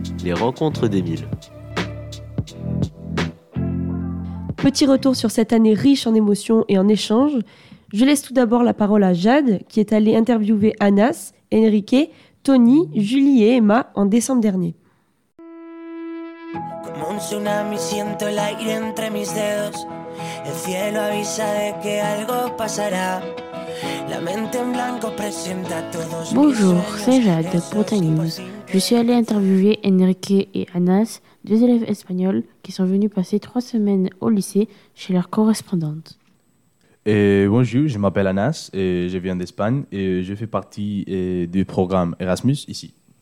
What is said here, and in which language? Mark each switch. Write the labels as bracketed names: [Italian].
[French] Les rencontres d'Émile. Petit retour sur cette année riche en émotions et en échanges. Je laisse tout d'abord la parole à Jade qui est allée interviewer Anas, Enrique, Tony, Julie et Emma en décembre dernier. [Spanish] Como un tsunami siento el aire entre mis dedos. El cielo avisa de que algo pasará. La mente en blanco presenta todos. [French] Bonjour, c'est Jade pour Tech News. Je suis allée interviewer Enrique et Anas, deux élèves espagnols qui sont venus passer 3 semaines au lycée chez leur correspondante. Et bonjour, je m'appelle Anas et je viens d'Espagne et je fais partie du programme Erasmus ici.